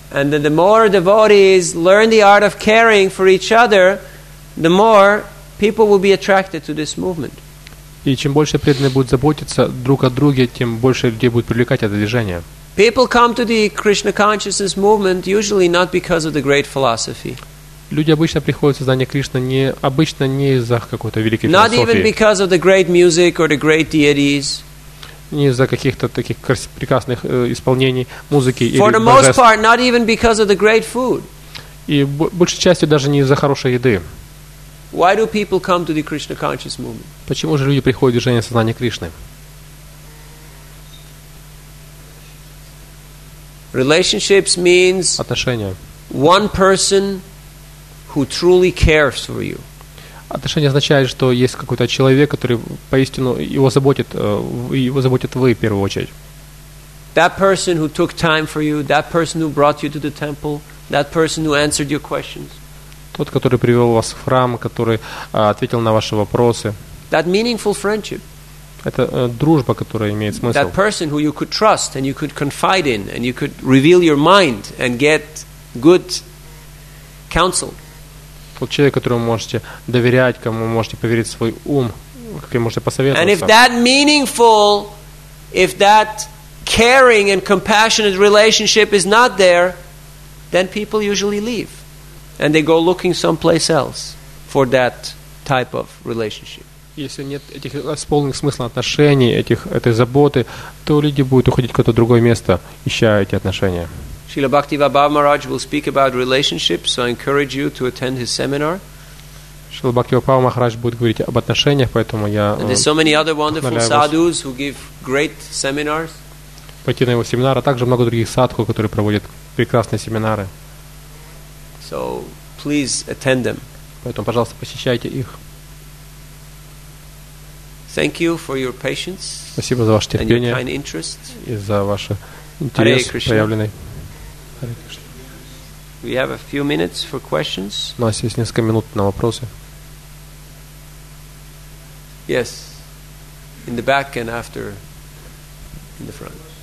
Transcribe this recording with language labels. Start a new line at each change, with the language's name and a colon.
English: And then the more devotees learn the art of caring for each other, the more people will be attracted to this movement.
Russian: И чем больше преданные будут заботиться друг о друге, тем больше людей будет привлекать это движение.
English: People come to the Krishna consciousness movement usually not because of the great philosophy.
Russian: Люди обычно приходят в сознание Кришны не обычно не из-за какой-то великой
English: not
Russian: философии.
English: Not even because of the great music or the great deities.
Russian: Не из-за каких-то таких прекрасных исполнений музыки
English: For
Russian: или
English: For the
Russian: божеств.
English: Most part, not even because of the great food.
Russian: И большей частью даже не из-за хорошей еды.
English: Why do people come to the Krishna conscious movement?
Russian: Почему же люди приходят в движение сознания Кришны?
English: Relationships means
Russian: отношения.
English: One person who truly cares for you.
Russian: Отношения означает, что есть какой-то человек, который поистину его заботит вы в первую очередь.
English: That person who took time for you, that person who brought you to the temple, that person who answered your questions.
Russian: Тот, который привел вас в храм, который ответил на ваши вопросы.
English: That meaningful friendship.
Russian: Это дружба, которая имеет смысл.
English: That person who you could trust and you could confide in and you could reveal your mind and get good counsel.
Russian: Тот человек, которому можете доверять, кому можете поверить свой ум, как вы можете посоветоваться.
English: And if that meaningful, if that caring and compassionate relationship is not there, then people usually leave. And they go looking someplace else for that type of relationship.
Russian: Если нет этих исполненных смысла отношений, этих, этой заботы, то люди будут уходить в какое-то другое место, ища эти отношения.
English: Srila Bhaktivabhava Maharaj will speak about relationships, so I encourage you to attend his seminar.
Russian: Srila Bhaktivabhava Maharaj будет говорить об отношениях, поэтому я
English: And there's so many other wonderful sadhus who give great seminars.
Russian: Пойти на его семинар, а также много других садху, которые проводят прекрасные семинары.
English: So, please attend them.
Russian: Поэтому, пожалуйста, посещайте их.
English: Thank you for your patience.
Russian: Спасибо за ваше терпение.
English: And your kind interest.
Russian: И за ваш интерес проявленный.
English: We have a few minutes for questions.
Russian: У нас есть несколько минут на вопросы.
English: Yes. In the back and after in the front.